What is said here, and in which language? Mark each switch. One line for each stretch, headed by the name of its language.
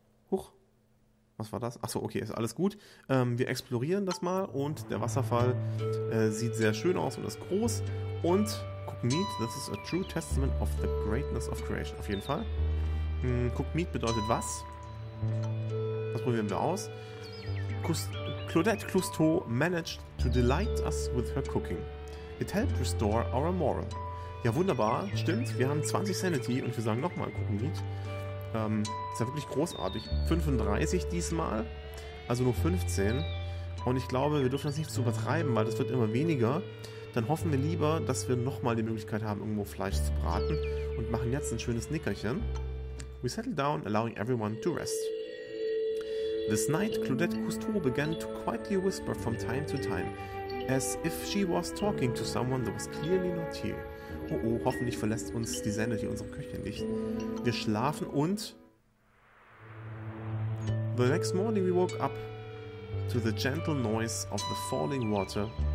German: Huch, was war das? Achso, okay, ist alles gut. Wir explorieren das mal und der Wasserfall sieht sehr schön aus und ist groß.
English: Und Cook Meat, this is a true testament of the greatness of creation.
German: Auf jeden Fall. Cook Meat bedeutet was? Das probieren wir aus.
English: Claudette Clouseau managed to delight us with her cooking. It helped restore our morale.
German: Ja, wunderbar. Stimmt, wir haben 20 Sanity und wir sagen nochmal Cook Meat. Ist ja wirklich großartig. 35 diesmal, also nur 15. Und ich glaube, wir dürfen das nicht zu übertreiben, weil das wird immer weniger. Dann hoffen wir lieber, dass wir nochmal die Möglichkeit haben, irgendwo Fleisch zu braten und machen jetzt ein schönes Nickerchen.
English: We settle down, allowing everyone to rest. This night, Claudette Cousteau began to quietly whisper from time to time, as if she was talking to someone that was clearly not here.
German: Oh oh, hoffentlich verlässt uns die Sanity unsere Küche nicht. Wir schlafen und...
English: The next morning we woke up to the gentle noise of the falling water.